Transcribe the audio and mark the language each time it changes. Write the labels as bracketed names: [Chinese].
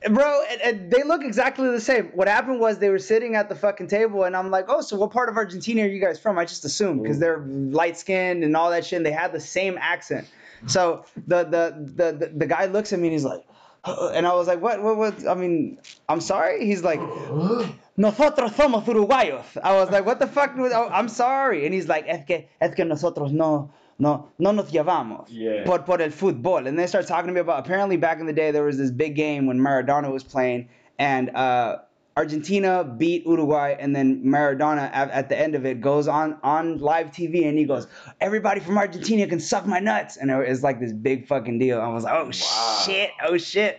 [English] Bro, and they look exactly the same. What happened was they were sitting at the fucking table and I'm like, oh, so what part of Argentina are you guys from? I just assumed because they're light-skinned and all that shit and they had the same accent. So the guy looks at me and he's like... And I was like, what? I mean, I'm sorry? He's like... [Spanish] Nosotros somos uruguayos. [English] I was like, what the fuck? I'm sorry. And he's like, [Spanish] es que nosotros no nos llevamos por el fútbol. [English] And they start talking to me about, apparently back in the day, there was this big game when Maradona was playing and Argentina beat Uruguay. And then Maradona at the end of it goes on live TV and he goes, everybody from Argentina can suck my nuts. And it's like this big fucking deal. I was like, Oh shit.